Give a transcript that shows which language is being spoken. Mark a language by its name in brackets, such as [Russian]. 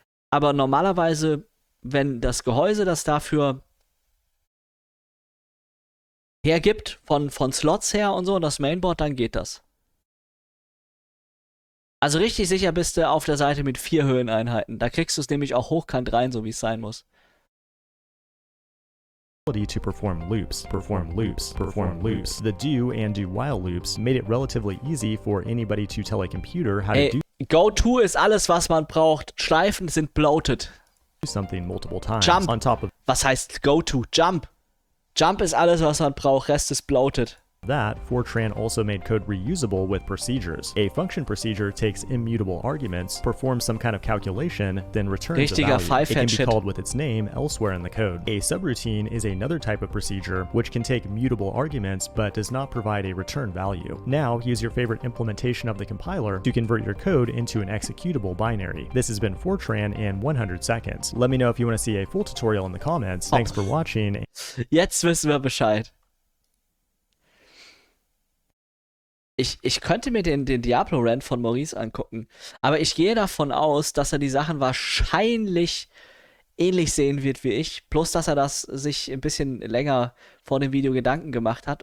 [German] Aber normalerweise, wenn das Gehäuse das dafür hergibt, von Slots her und so, und das Mainboard, dann geht das. Also richtig sicher bist du auf der Seite mit 4 Höheneinheiten. Da kriegst du es nämlich auch hochkant rein, so wie es sein muss. [English] To perform loops, perform loops, perform loops. The do and do while loops made it relatively easy for anybody to tell a computer how to do. [German] Go to ist alles, was man braucht. Schleifen sind bloated. [English] Do something multiple times. Jump. On top of. [German] Was heißt go to? Jump. Jump ist alles, was man braucht. Rest ist bloated. [English] That Fortran also made code reusable with procedures. A function procedure takes immutable arguments, performs some kind of calculation, then returns [German] richtiger [English] a value. Five it can be shit. Called with its name elsewhere in the code. A subroutine is another type of procedure which can take mutable arguments but does not provide a return value. Now use your favorite implementation of the compiler to convert your code into an executable binary. This has been Fortran in 100 seconds. Let me know if you want to see a full tutorial in the comments. Thanks for watching. [German] Jetzt wissen wir Bescheid. Ich könnte mir den Diablo-Rant von Maurice angucken, aber ich gehe davon aus, dass er die Sachen wahrscheinlich ähnlich sehen wird wie ich, bloß dass er das sich ein bisschen länger vor dem Video Gedanken gemacht hat.